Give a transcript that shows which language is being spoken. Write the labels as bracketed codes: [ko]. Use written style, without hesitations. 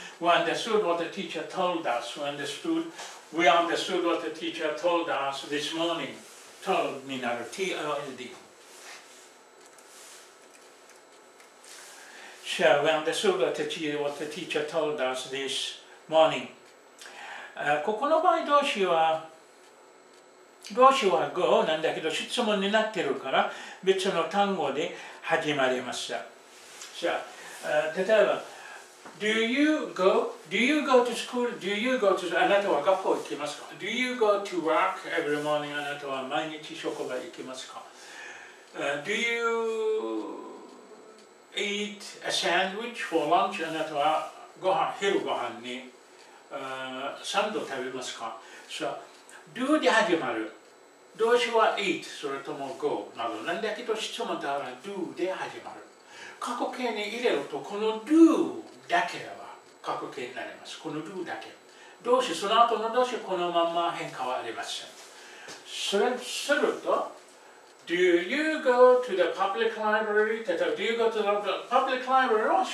[en] We understood what the teacher told us. We understood what the teacher told us this morning. [ja] Told になる。 [en] T-O-L-D. So, we understood what the teacher told us this morning. [ja] ここの場合動詞は go なんだけど質問になってるから別の単語で始まりました。 [en] So, [ja] 例えば、 [en] Do you go to school? [ja] あなたは学校行きますか? [en] Do you go to work every morning? [ja] あなたは毎日職場行きますか? [en] Do you eat a sandwich for lunch? [ja] あなたはご飯、昼ご飯に、サンド食べますか? So, do で始まる。動詞は eat、それとも go など。なんだけど質問だから do で始まる。過去形に入れると、この do だけは過去形になります。この do だけ。動詞、その後の動詞、このまま変化はありません。それすると、 [en] Do you go to the public library? Do you go to the public library?